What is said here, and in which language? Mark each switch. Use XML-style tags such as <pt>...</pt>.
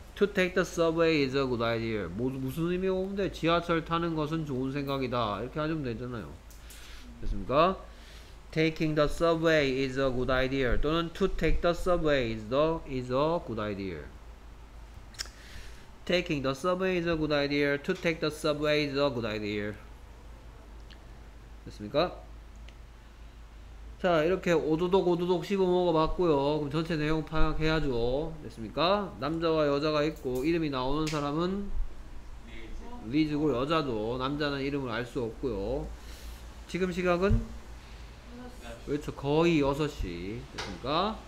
<en>To take the subway is a good idea.</en> <ko>무슨 의미가 없는데 지하철 타는 것은 좋은 생각이다. 이렇게 하시면 되잖아요. 됐습니까?</ko> <en>Taking the subway is a good idea. 또는 to take the subway is a good idea. Taking the subway is a good idea. To take the subway is a good idea.</en> <ko>됐습니까? 자 이렇게 오두독 오두독 씹어먹어 봤고요. 그럼 전체 내용 파악해야죠. 됐습니까? 남자와 여자가 있고 이름이 나오는 사람은 리즈고 여자도 남자는 이름을 알 수 없고요. 지금 시각은? 그렇죠. 거의 6시. 됐습니까?</ko>